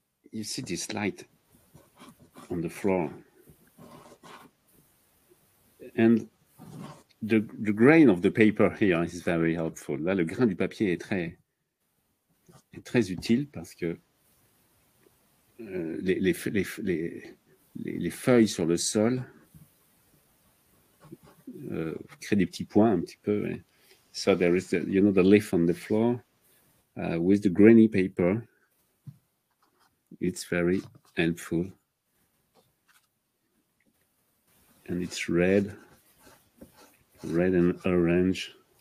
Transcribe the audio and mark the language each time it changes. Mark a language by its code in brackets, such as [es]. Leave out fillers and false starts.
[en] You see this light on the floor, and the grain of the paper here is very helpful. [fr] Là, le grain du papier est très utile parce que les feuilles sur le sol créent des petits points un petit peu. Eh? [en] So there is the leaf on the floor with the grainy paper. It's very helpful. And it's red and orange.